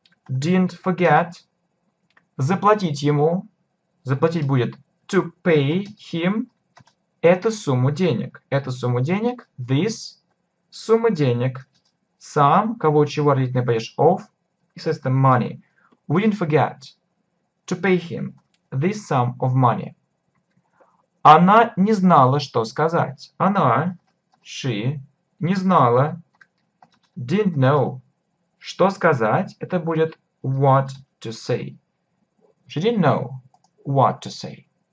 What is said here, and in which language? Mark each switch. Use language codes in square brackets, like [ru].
[en] Didn't forget. [ru] Заплатить ему. Заплатить будет [en] to pay him [ru] эту сумму денег. Эту сумму денег. [en] This. [ru] Сумма денег. Some. Кого чего родительный падеж of. [en] И says the money. We didn't forget to pay him this sum of money. [ru] Она не знала, что сказать. Она. [en] She. [ru] Не знала. [en] Didn't know. [ru] Что сказать? Это будет [en] what to say. She didn't know what to say.